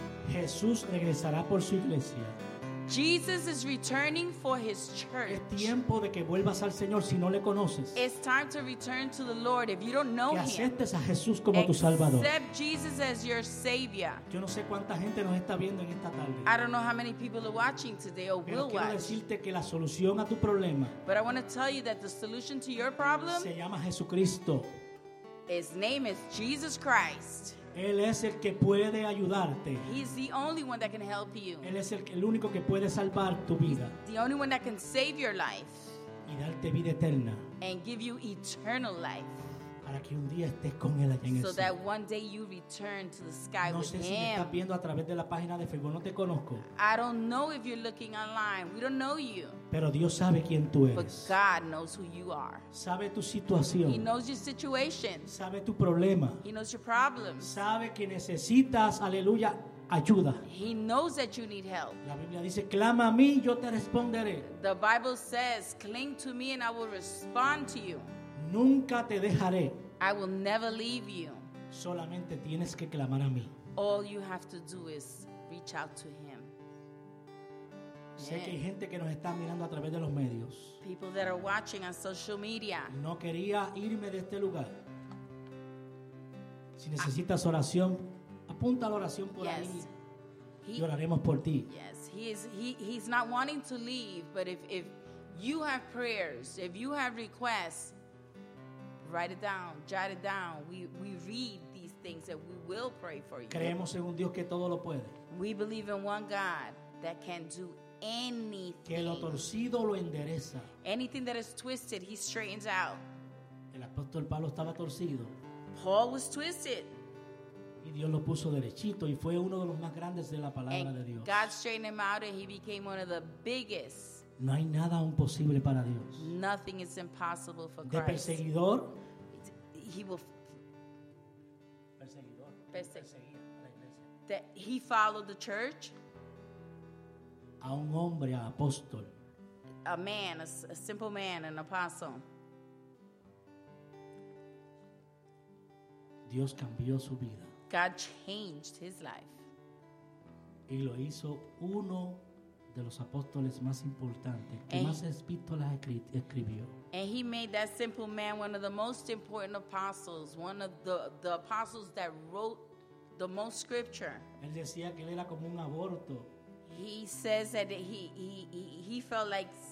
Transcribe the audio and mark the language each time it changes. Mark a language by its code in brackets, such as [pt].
[es] Jesús regresará por su iglesia. [en] Jesus is returning for his church. [es] Es tiempo de que vuelvas al Señor si no le conoces. [en] It's time to return to the Lord if you don't know him. [es] Que aceptes a Jesús como tu Salvador. [en] Accept Jesus as your Savior. [es] Yo no sé cuánta gente nos está viendo en esta tarde. [en] I don't know how many people are watching today or will watch. [es] Pero quiero decirte que la solución a tu problema. [en] But I want to tell you that the solution to your problem. [es] Se llama Jesucristo. [en] His name is Jesus Christ. [es] Él es el que puede ayudarte. [en] He's the only one that can help you. [es] Él es el único que puede salvar tu vida. [en] He's the only one that can save your life. [es] Y darte vida eterna. [en] And give you eternal life. [es] Para que un día estés con él allá en el cielo. [en] So that one day you return to the sky with him. [es] No sé si me estás viendo a través de la página de Facebook. No te conozco. [en] I don't know if you're looking online. We don't know you. [es] Pero Dios sabe quién tú eres. [en] But God knows who you are. [es] Sabe tu situación. [en] He knows your situation. [es] Sabe tu problema. [en] He knows your problem. [es] Sabe que necesitas, aleluya, ayuda. [en] He knows that you need help. [es] La Biblia dice, clama a mí, yo te responderé. [en] The Bible says, cling to me and I will respond to you. [es] Nunca te dejaré. [en] I will never leave you. [es] Solamente tienes que clamar a mí. [en] All you have to do is reach out to him. [es] Sé que hay gente que nos está mirando a través de los medios. [en] People that are watching on social media. [es] No quería irme de este lugar. Si necesitas oración, apunta la oración por ahí. Y oraremos por ti. [en] Yes, he's not wanting to leave, but if you have prayers, if you have requests, write it down, jot it down. We read these things that we will pray for you. [es] Creemos en un Dios que todo lo puede. [en] We believe in one God that can do anything. [es] Que lo torcido lo endereza. [en] Anything that is twisted, he straightens out. [es] El apóstol Pablo estaba torcido. [en] Paul was twisted. [es] Y Dios lo puso derechito y fue uno de los más grandes de la palabra [en] and [es] de Dios. [en] God straightened him out and he became one of the biggest. [es] No hay nada imposible para Dios. [en] Nothing is impossible for Christ. [es] De perseguidor. [en] He will. [es] Perseguidor. [en] That he followed the church. [es] A un hombre, a apóstol. [en] A man, a simple man, an apostle. [es] Dios cambió su vida. [en] God changed his life. [es] Y lo hizo uno de los apóstoles más importantes que más epístolas escribió. [en] And he made that simple man one of the most important apostles, one of the apostles that wrote the most scripture. [es] Él decía que él era como un aborto. [en] He says that he felt like